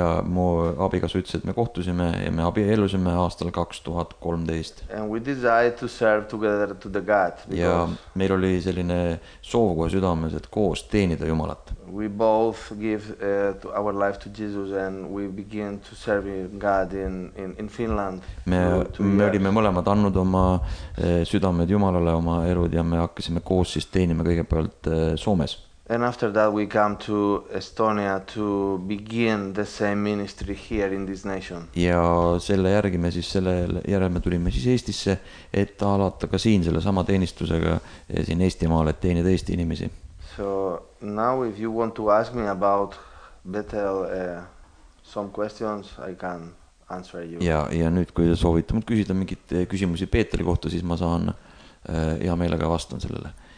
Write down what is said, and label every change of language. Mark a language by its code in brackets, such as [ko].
[et] Mu abikas ütles, et me kohtusime ja me abielusime aastal 2013. [en] And we decided to serve together to the God. [et] Ja meil oli selline soov kohe südames, et koos teenida Jumalat. [en] We both give to our life to Jesus and we begin to serve God in Finland. [et] Me olime mõlemad annud oma südamed Jumalale oma elud ja me hakkasime koos siis teenima kõige pealt Soomes. [en] And after that we come to Estonia to begin the same ministry here in this nation. [et] Ja selle järgi me siis selle järel me tulime siis Eestisse, et alata ka siin selle sama teenistusega siin Eestimaale, et teenida Eesti inimesi. [en] So now if you want to ask me about Bethel some questions, I can answer you. [et] Ja nüüd kui soovite mul küsida mingit küsimusi Peetri kohta, siis ma saan hea meelega vastan sellele.